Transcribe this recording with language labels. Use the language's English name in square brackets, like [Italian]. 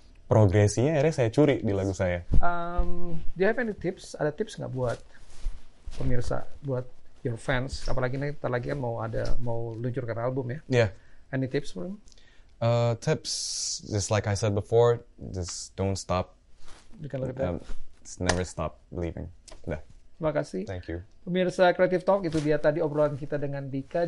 [Indonesian] Progresinya akhirnya saya curi di lagu saya. [English] Do you have any tips? [Indonesian] Ada tips nggak buat pemirsa, buat [English] your fans? [Indonesian] Apalagi nih, kita lagi mau luncurkan album ya. Iya. Yeah. [English] Any tips for them? Tips, just like I said before, just don't stop. You can look at that. Just never stop believing. [Indonesian] Dah. Terima kasih. [English] Thank you. [Indonesian] Pemirsa Creative Talk, itu dia tadi obrolan kita dengan Dika.